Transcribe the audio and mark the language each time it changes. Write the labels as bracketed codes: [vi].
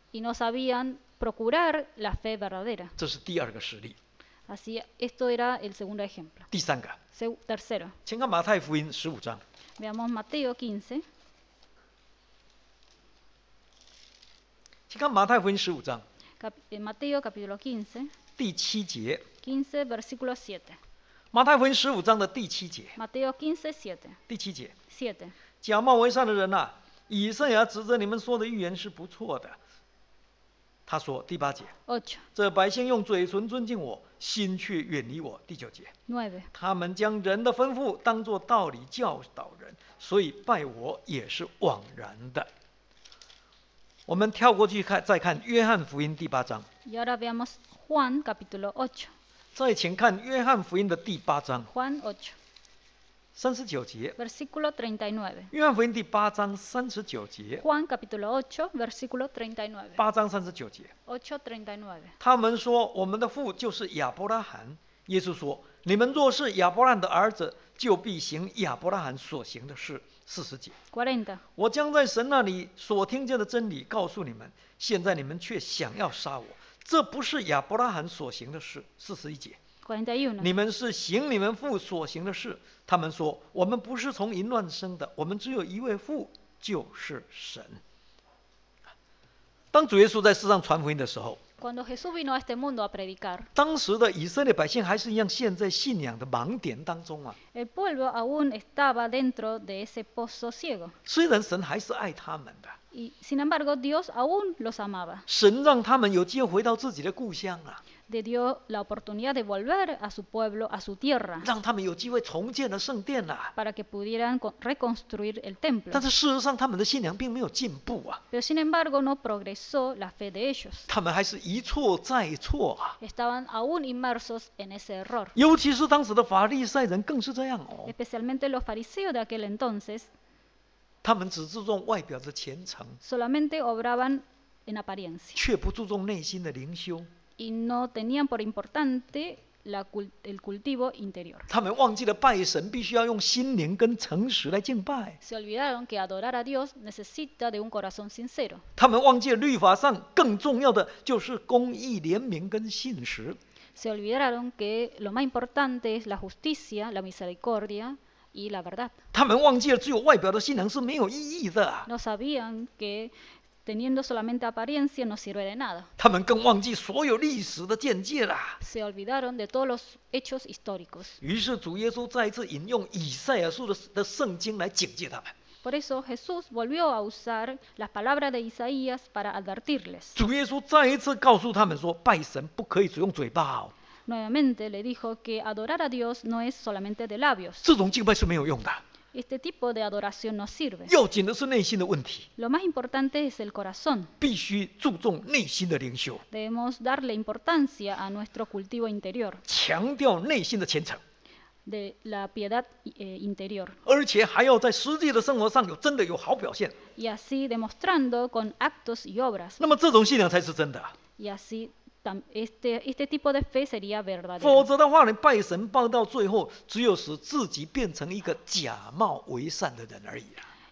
[es] Y no sabían procurar la fe verdadera. [zh] 这是第二个实例。 [es] Así, esto era el segundo ejemplo. [zh] 第三个。 [es] Tercero. [zh] 请看马太福音十五章。 [es] Veamos Mateo 15. [zh] 请看马太福音十五章。 [es] Mateo capítulo 15, [zh] 第七节。 [es] 15 versículo 7. [zh] 马太福音十五章的第七节。 [es] Mateo 15, 7. [zh] 第七节。 [es] 7. [zh] 假冒为善的人啊，以赛亚指着你们说的预言是不错的。他说第八节。 [es] 8. [zh] 这百姓用嘴唇尊敬我，心却远离我。第九节。 [es] 9. [zh] 他们将人的吩咐当作道理教导人，所以拜我也是枉然的。我们跳过去看，再看约翰福音第八章。 [es] Y ahora veamos Juan capítulo 8. [zh] 再请看约翰福音的第八章。 [es] Juan 8. [zh] 39节。 [es] Versículo 39. [zh] 约翰福音第八章39节。 [es] Juan capítulo 8, versículo 39. [zh] 八章39节。 [es] 8:39. [zh] 他们说，我们的父就是亚伯拉罕。耶稣说，你们若是亚伯拉罕的儿子，就必行亚伯拉罕所行的事。四十节。 [es] 40. [zh] 我将在神那里所听见的真理告诉你们，现在你们却想要杀我，这不是亚伯拉罕所行的事。四十一节。 [es] 41. [zh] 你们是行你们父所行的事。他们说，我们不是从淫乱生的，我们只有一位父，就是神。当主耶稣在世上传福音的时候， [es] Cuando Jesús vino a este mundo a predicar, [zh] 当时的以色列百姓还是一样陷在信仰的盲点当中啊。 [es] El pueblo aún estaba dentro de ese pozo ciego. [zh] 虽然神还是爱他们的。 [es] Y sin embargo, Dios aún los amaba. [zh] 神让他们有机会回到自己的故乡啊。 [es] Le dio la oportunidad de volver a su pueblo, a su tierra. [zh] 让他们有机会重建了圣殿啊。 [es] Para que pudieran reconstruir el templo. [zh] 但是事实上，他们的信仰并没有进步啊。 [es] Pero sin embargo, no progresó la fe de ellos. [zh] 他们还是一错再错啊。 [es] Estaban aún inmersos en ese error. [zh] 尤其是当时的法利赛人更是这样哦。 [es] Especialmente los fariseos de aquel entonces. [zh] 他们只注重外表的虔诚。 [es] Solamente obraban en apariencia. [zh] 却不注重内心的灵修。 [es] Y no tenían por importante la el cultivo interior. [zh] 他们忘记了拜神必须要用心灵跟诚实来敬拜。 [es] Se olvidaron que adorar a Dios necesita de un corazón sincero. [zh] 他们忘记了律法上更重要的就是公义、怜悯跟信实。 [es] Se olvidaron que lo más importante es la justicia, la misericordia y la verdad. [zh] 他们忘记了只有外表的信仰是没有意义的。 [es] No sabían que teniendo solamente apariencia no sirve de nada. [zh] 他们更忘记所有历史的见解了。 [es] Se olvidaron de todos los hechos históricos. [zh] 于是主耶稣再次引用以赛亚书的圣经来警戒他们。 [es] Por eso Jesús volvió a usar las palabras de Isaías para advertirles. [zh] 主耶稣再一次告诉他们说，拜神不可以只用嘴巴哦。 [es] Nuevamente le dijo que adorar a Dios no es solamente de labios. [zh] 这种敬拜是没有用的。 [es] Este tipo de adoración no sirve. [zh] 要紧的是内心的问题。 [es] Lo más importante es el corazón. [zh] 必须注重内心的灵修。 [es] Debemos darle importancia a nuestro cultivo interior. [zh] 强调内心的虔诚。 [es] De la piedad interior. [zh] 而且还要在实际的生活上有真的有好表现。 [es] Y así demostrando con actos y obras. [zh] 那么这种信仰才是真的。 [es] Y así este tipo de fe sería verdadero. [zh] 否则的话，你拜神拜到最后，只有使自己变成一个假冒为善的人而已啊。